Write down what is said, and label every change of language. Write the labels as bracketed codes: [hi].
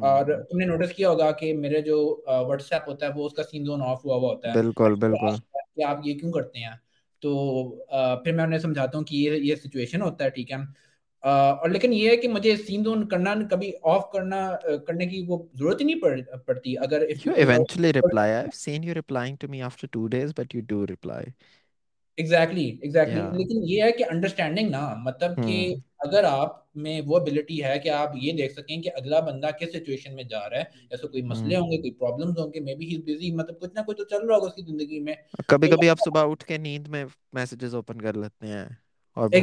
[hi] गया, और तुमने नोटिस किया होगा कि मेरे जो व्हाट्सएप होता है वो उसका सीन जोन ऑफ हुआ हुआ होता है, बिल्कुल बिल्कुल। कि आप ये क्यों करते हैं. तो फिर मैं उन्हें समझाता हूँ कि ये सिचुएशन होता है, ठीक है, और लेकिन ये है कि मुझे सीन जोन करना, कभी ऑफ करना, करने की वो जरूरत ही नहीं पड़ती अगर [en] You if you eventually reply. I've seen you replying to me after 2 days, but you do reply. exactly. Yeah. [hi] लेकिन ये है कि अंडरस्टैंडिंग ना, मतलब कि अगर आप में वो एबिलिटी है कि आप ये देख सकें कि अगला बंदा किस सिचुएशन में जा रहा है, ऐसे कोई मसले होंगे, कोई प्रॉब्लम्स होंगे, [en] maybe he is busy, [hi] मतलब कुछ ना कुछ तो चल रहा होगा उसकी जिंदगी में, कभी कभी आप तो सुबह उठ के नींद में messages open कर लेते हैं और भूल जाते